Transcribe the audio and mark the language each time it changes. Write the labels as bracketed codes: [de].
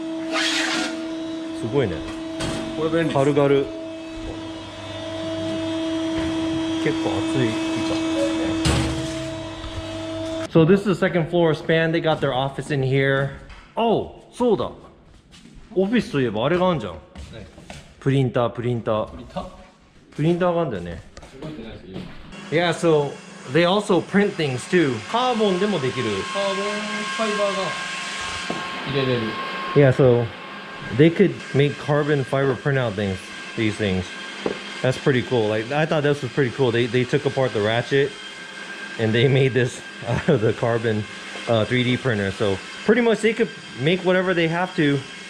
[ja] すごいね。これ便利です。軽々。結構熱い。 [en] So this is the second floor of Span. They got their office in here. Oh, [ja] そうだ。オフィスといえばあれがあるじゃん。プリンター、プリンター。プリンター？プリンターがあるんだよね。 [en] Yeah, so they also print things too. [ja] カーボンでもできる。カーボンファイバーが入れれる。 [en] Yeah, so. They could make carbon fiber printout things, these things. That's pretty cool. Like, I thought this was pretty cool. They took apart the ratchet and they made this out of the carbon 3D printer. So pretty much they could make whatever they have to.